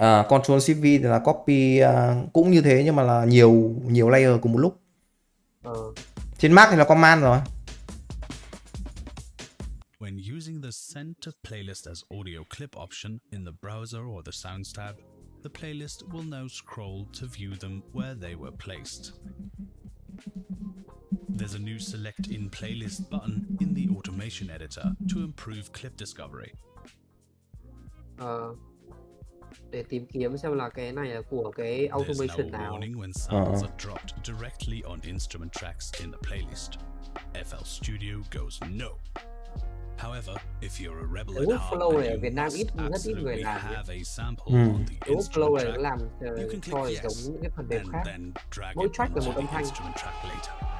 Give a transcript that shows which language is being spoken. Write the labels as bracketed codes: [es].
[vi] Control shift V là copy cũng như thế, nhưng mà là nhiều layer cùng một lúc. Trên Mac thì là command rồi. [en] When using the send to playlist as audio clip option in the browser or the sounds tab, the playlist will now scroll to view them where they were placed. There's a new select in playlist button in the automation editor to improve clip discovery. [vi] Để tìm kiếm xem là cái này là của cái automation nào. [en] There's no warning when samples are dropped directly on instrument tracks in the playlist. FL Studio goes no. However, if you're a rebel at heart, you must absolutely have a sample on the instrument track. You can click yes, and then drag it onto the instrument track later.